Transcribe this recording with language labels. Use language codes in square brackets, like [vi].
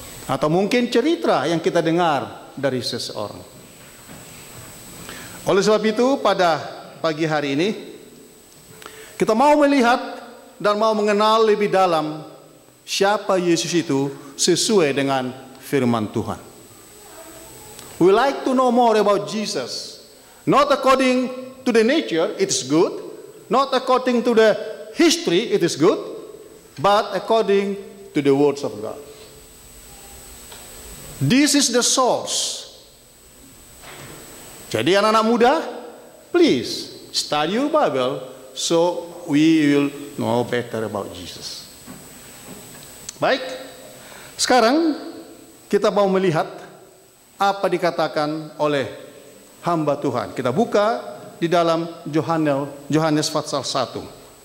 [id] Atau mungkin cerita yang kita dengar dari seseorang. Oleh sebab itu, pada pagi hari ini, kita mau melihat dan mau mengenal lebih dalam siapa Yesus itu sesuai dengan firman Tuhan. [en] We like to know more about Jesus. Not according to the nature, it is good. Not according to the history, it is good. But according to the words of God. This is the source. [id] Jadi anak-anak muda, [en] please study your Bible so we will know better about Jesus. [id] Baik, sekarang kita mau melihat apa dikatakan oleh hamba Tuhan. Kita buka di dalam Yohanes pasal 1.